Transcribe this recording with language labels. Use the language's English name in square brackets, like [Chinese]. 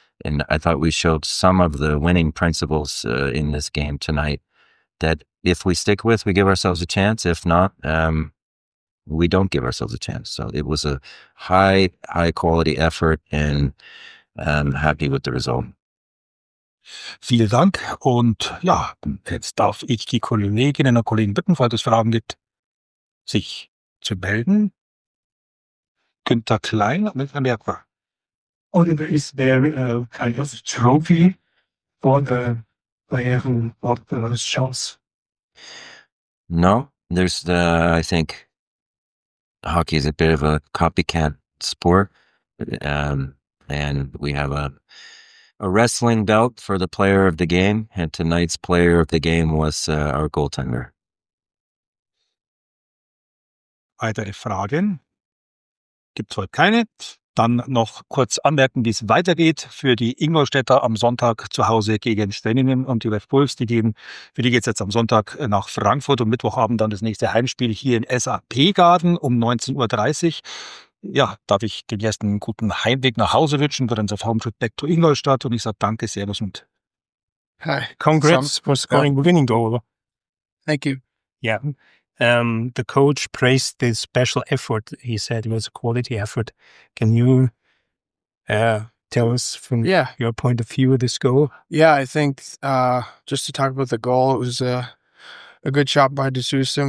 [English] And I thought we showed some of the winning principles in this game tonight that if we stick with, we give ourselves a chance. If not, we don't give ourselves a chance. So it was a high quality effort, and I'm happy with the result. [German] Vielen Dank. Und ja, jetzt darf ich die Kolleginnen und Kollegen bitten, falls es Fragen gibt, sich zu melden. Günther Klein mit Amerika. [English] Oliver, is there a kind of trophy for the player who got the most shots? No, there's the, I think hockey is a bit of a copycat sport. And we have a wrestling belt for the player of the game. And tonight's player of the game was our goaltender. [German] Weitere Fragen? Gibt's heute keine. Dann noch kurz anmerken, wie es weitergeht für die Ingolstädter am Sonntag zu Hause gegen Steningen und die Red Bulls. Die gehen, für die geht es jetzt am Sonntag nach Frankfurt und Mittwochabend dann das nächste Heimspiel hier in SAP Garden um 19.30 Uhr. Ja, darf ich den ersten guten Heimweg nach Hause wünschen, für unser Homeschritt [English] back to Ingolstadt, [German] und ich sage danke, Servus und [English] Hi. Congrats for scoring winning goal. Thank you. Yeah. The coach praised this special effort. He said it was a quality effort. Can you tell us from your point of view of this goal? Yeah, I think just to talk about the goal, it was a good shot by D'Souza.